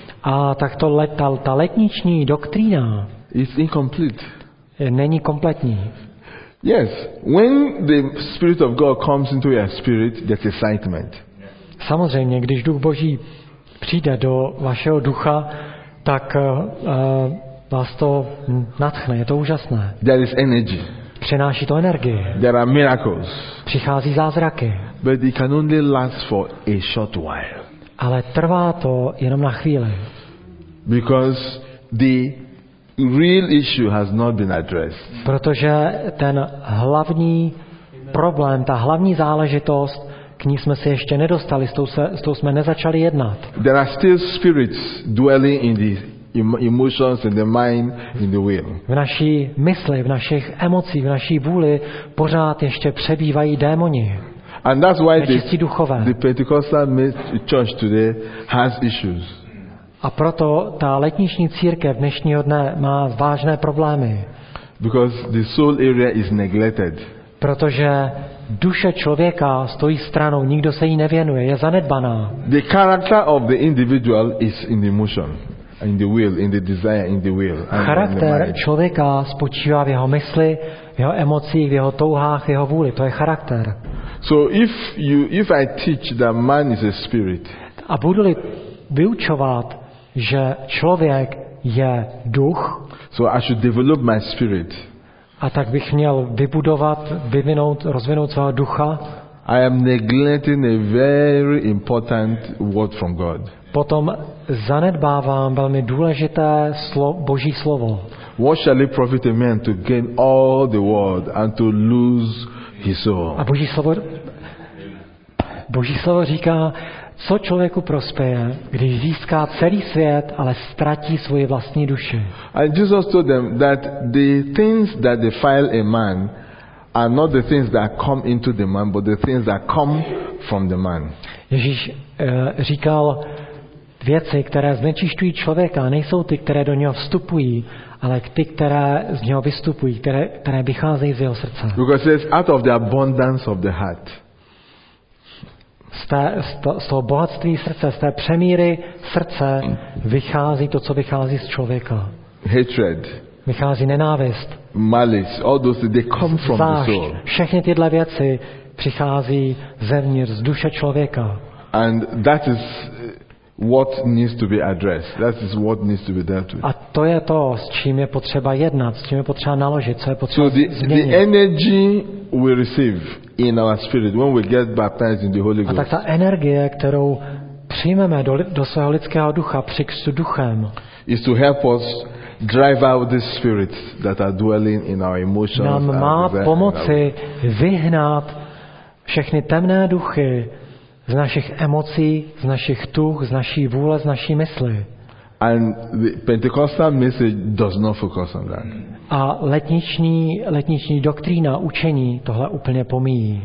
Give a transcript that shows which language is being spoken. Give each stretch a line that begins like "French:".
Czech: A tak to ta letniční doktrína.
English: Is incomplete.
Czech: Není kompletní.
English: Yes, when the Spirit of God comes into your spirit, there's excitement.
Czech: Samozřejmě, když Duch Boží přijde do vašeho ducha, tak vás to nadchne, je to úžasné.
English: There is energy.
Czech: Přináší to energii.
English: There are miracles.
Czech: Přichází zázraky.
English: But it can only last for a short while.
Czech: Ale trvá to jenom na chvíli.
English: Because the real issue has not been addressed.
Czech: Protože ten hlavní problém, ta hlavní záležitost, k ní jsme se ještě nedostali, s tou jsme nezačali jednat.
English: There are still spirits dwelling in the emotions in the mind, in the will.
Czech: V naší mysli, v našich emocích, v naší vůli pořád ještě přebývají démoni.
English: And that's why
Czech: nečistí duchové.
English: The Pentecostal church today has issues.
Czech: A proto ta letniční církev dnešního dne má vážné problémy.
English: Because the soul area is neglected.
Czech: Protože duše člověka stojí stranou, nikdo se jí nevěnuje, je zanedbaná.
English: The character of the individual is in the emotion, in the will, in the desire, in the will.
Czech: Charakter člověka spočívá v jeho mysli, v jeho emocích, v jeho touhách, v jeho vůli. To je charakter.
English: So if I teach that man is a spirit.
Czech: A budu-li vyučovat, že člověk je duch.
English: So I should develop my spirit.
Czech: A tak bych měl vybudovat, vyvinout, rozvinout svého ducha.
English: I am neglecting a very important word from God.
Czech: Potom zanedbávám velmi důležité Boží slovo.
English: What shall it profit a man to gain all the world and to lose his soul?
Czech: A Boží slovo říká, co člověku prospěje, když získá celý svět, ale ztratí svoji vlastní duši.
English: And Jesus told them that the things that defile a man are not the things that come into the man, but the things that come from the man.
Czech: Ježíš říkal, věci, které znečišťují člověka, nejsou ty, které do něho vstupují, ale ty, které z něho vystupují, které vycházejí z jeho srdce.
English: Because it's out of the abundance of the heart.
Czech: Z toho bohatství srdce, z té přemíry srdce vychází to, co vychází z člověka.
English: Hatred.
Czech: Vychází nenávist.
English: Malice. All those things, they come from the soul.
Czech: Všechny tyhle věci přichází zevnitř, z duše člověka.
English: And that is what needs to be addressed. That is what needs to be dealt with.
Czech: A to je to, s čím je potřeba jednat, s čím je potřeba naložit, co je potřeba
English: so
Czech: změnit.
English: So the energy we receive in our spirit when we get baptized in the Holy Ghost.
Czech: A tak ta energie, kterou přijmeme do svého lidského ducha při křtu duchem,
English: is to help us drive out the spirits that are dwelling in our emotions.
Czech: Nám má pomoci vyhnat všechny temné duchy z našich emocí, z našich tuch, z naší vůle, z naší mysli.
English: And the Pentecostal message does not focus on that.
Czech: A letniční doktrína, učení tohle úplně pomíjí.